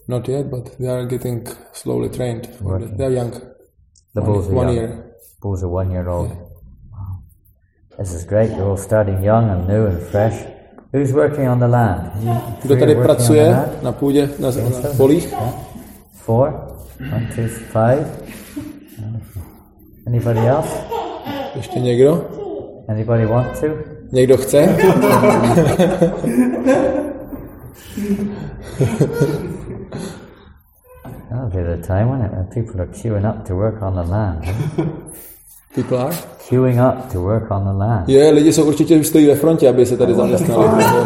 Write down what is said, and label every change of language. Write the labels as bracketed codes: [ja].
[en] Not yet, but they are getting slowly trained. They're young. The bulls are 1 year. Bulls are 1 year old. Yeah. Wow. This is great. You're all starting young and new and fresh. Who's working on the land? [cs] Kdo tady pracuje na půdě, na polích? [en] Four? One, two, five? Anybody else? [cs] Ještě někdo? [en] Anybody want to? [cs] Někdo chce? [en] That'll be the time, won't it? People are queuing up to work on the land. People are? Queuing up to work on the land. [cs] Yeah, lidi jsou určitě stojí ve frontě, aby se tady zaměstnali.